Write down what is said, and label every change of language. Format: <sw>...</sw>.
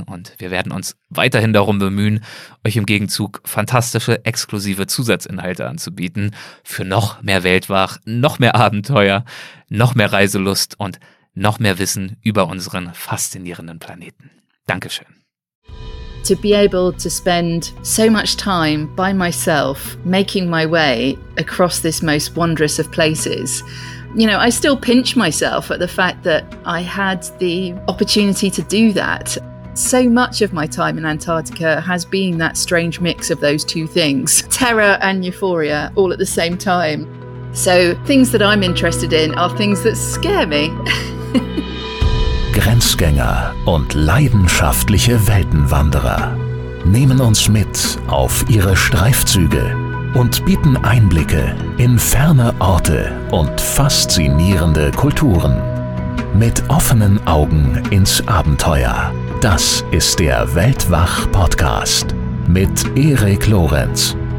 <de>Und wir werden uns weiterhin darum bemühen, euch im Gegenzug fantastische, exklusive Zusatzinhalte anzubieten. Für noch mehr Weltwach, noch mehr Abenteuer, noch mehr Reiselust und noch mehr Wissen über unseren faszinierenden Planeten. Dankeschön.</de> <en>To be able to spend so much time by myself making my way across this most wondrous of places. You know, I still pinch myself at the fact that I had the opportunity to do that. So much of my time in Antarctica has been that strange mix of those two things, terror and euphoria all at the same time. So things that I'm interested in are things that scare me.</en> <de>Grenzgänger und leidenschaftliche Weltenwanderer nehmen uns mit auf ihre Streifzüge und bieten Einblicke in ferne Orte und faszinierende Kulturen. Mit offenen Augen ins Abenteuer. Das ist der Weltwach-Podcast mit Erik Lorenz.</de>